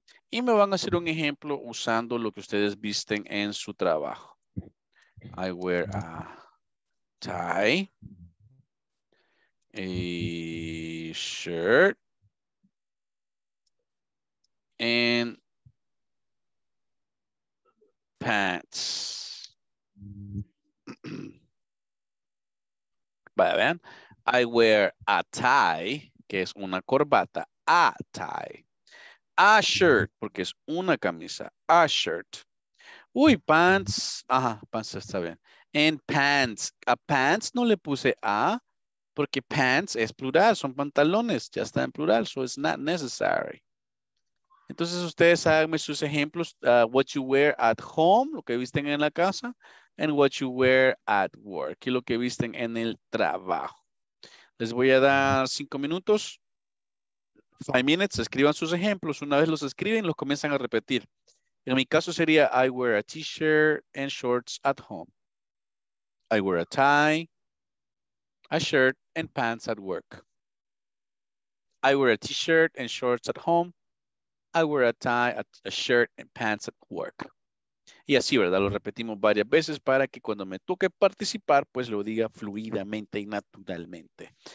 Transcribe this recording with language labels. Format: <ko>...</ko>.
<es>Y me van a hacer un ejemplo usando lo que ustedes visten en su trabajo.</es> <en>I wear a tie, a shirt, and pants.</en> <es>Vaya, vean.</es> <en>I wear a tie,</en> <es>que es una corbata.</es> <en>A tie. A shirt,</en> <es>porque es una camisa.</es> <en>A shirt.</en> <es>Uy, pants. Ajá, pants está bien.</es> <en>And pants.</en> <es>A pants no le puse a, porque pants es plural. Son pantalones. Ya está en plural.</es> <en>So it's not necessary.</en> <es>Entonces, ustedes háganme sus ejemplos.</es> <en>What you wear at home,</en> <es>lo que visten en la casa.</es> <en>And what you wear at work.</en> <es>Y lo que visten en el trabajo. Les voy a dar 5 minutos.</es> <en>5 minutes.</en> <es>Escriban sus ejemplos. Una vez los escriben, los comienzan a repetir. En mi caso sería,</es> <en>I wear a t-shirt and shorts at home. I wear a tie, a shirt, and pants at work. I wear a t-shirt and shorts at home. I wear a tie, a shirt, and pants at work.</en> <es>Y así, ¿verdad? Lo repetimos varias veces para que cuando me toque participar, pues lo diga fluidamente y naturalmente.</es>